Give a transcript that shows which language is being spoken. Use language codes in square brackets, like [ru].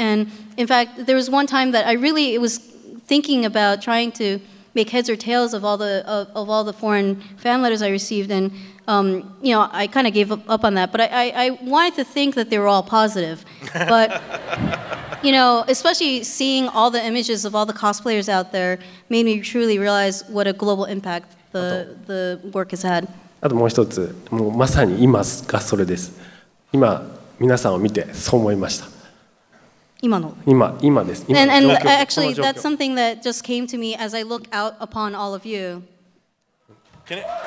[en] And in fact, there was one time that it was thinking about trying to make heads or tails of all the, of all the foreign fan letters I received. Andyou know, I kind of gave up on that, but I wanted to think that they were all positive. But, you know, especially seeing all the images of all the cosplayers out there made me truly realize what a global impact the work has had. [ja] あともう一つ、もうまさに今がそれです。今、皆さんを見てそう思いました。今です。 [en] And actually, that's something that just came to me as I look out upon all of you. Can it...